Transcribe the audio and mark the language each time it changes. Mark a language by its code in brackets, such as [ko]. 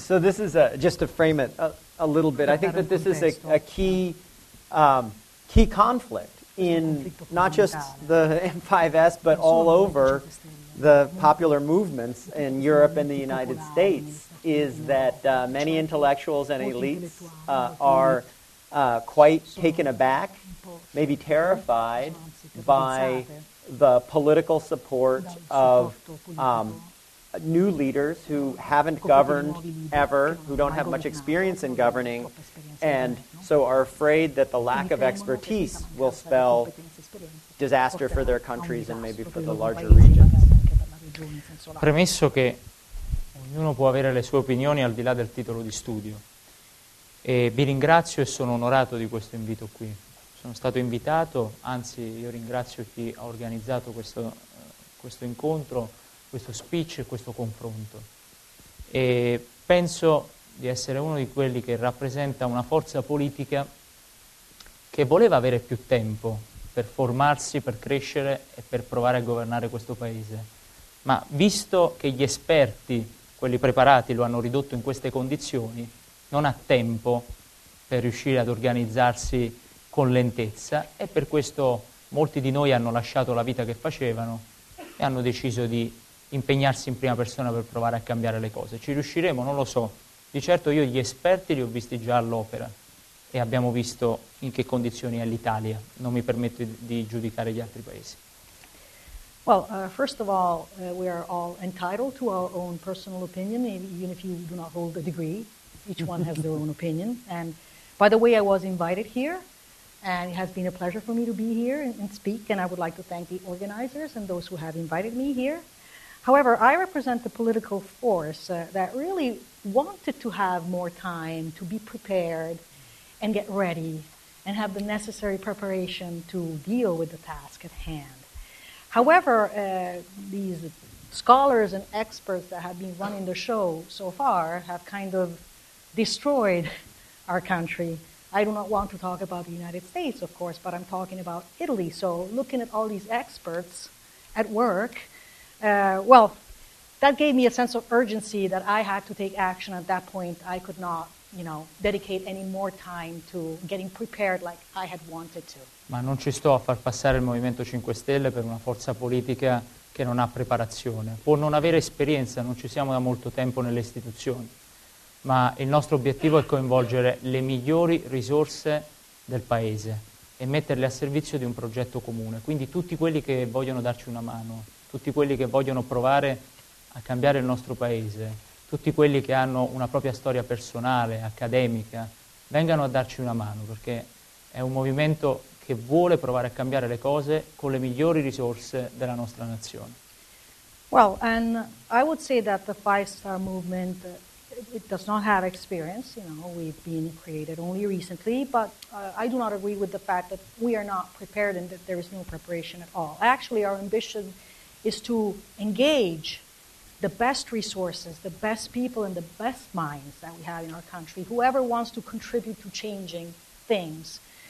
[en] So this is just to frame it a little bit. I think that this is a key conflict in not just the M5S, but all over the popular movements in Europe and the United States, is that many intellectuals and elites are quite taken aback, maybe terrified, by the political support of new leaders who haven't governed ever, who don't have much experience in governing, and so are afraid that the lack of expertise will spell disaster for their countries and maybe for the larger regions. [it] Premesso che ognuno può avere le sue opinioni al di là del titolo di studio. E vi ringrazio e sono onorato di questo invito qui. Sono stato invitato, anzi io ringrazio chi ha organizzato questo incontro, questo speech e questo confronto. E penso di essere uno di quelli che rappresenta una forza politica che voleva avere più tempo per formarsi, per crescere e per provare a governare questo paese. Ma visto che gli esperti, quelli preparati, lo hanno ridotto in queste condizioni, non ha tempo per riuscire ad organizzarsi con lentezza e per questo molti di noi hanno lasciato la vita che facevano e hanno deciso di impegnarsi in prima persona per provare a cambiare le cose. Ci riusciremo? Non lo so. Di certo io gli esperti li ho visti già all'opera e abbiamo visto in che condizioni è l'Italia. Non mi permetto di giudicare gli altri paesi. [en] Well, first of all, we are all entitled to our own personal opinion, even if you do not hold a degree. Each one has their own opinion. And by the way, I was invited here, and it has been a pleasure for me to be here and speak, and I would like to thank the organizers and those who have invited me here. However, I represent the political force that really wanted to have more time to be prepared and get ready and have the necessary preparation to deal with the task at hand. However, these scholars and experts that have been running the show so far have kind of destroyed our country. I do not want to talk about the United States, of course, but I'm talking about Italy. So looking at all these experts at work, well, that gave me a sense of urgency that I had to take action. At that point, I could not, you know, dedicate any more time to getting prepared like I had wanted to. [it] Ma non ci sto a far passare il Movimento 5 Stelle per una forza politica che non ha preparazione. Può non avere esperienza, non ci siamo da molto tempo nelle istituzioni. Ma il nostro obiettivo è coinvolgere le migliori risorse del Paese e metterle a servizio di un progetto comune. Quindi tutti quelli che vogliono darci una mano, tutti quelli che vogliono provare a cambiare il nostro Paese, tutti quelli che hanno una propria storia personale, accademica, vengano a darci una mano, perché è un movimento che vuole provare a cambiare le cose con le migliori risorse della nostra nazione. [en] Well, and I would say that the five-star movement, it does not have experience, you know, we've been created only recently, but I do not agree with the fact that we are not prepared and that there is no preparation at all. Actually, our ambition is to engage the best resources, the best people and the best minds that we have in our country, whoever wants to contribute to changing things.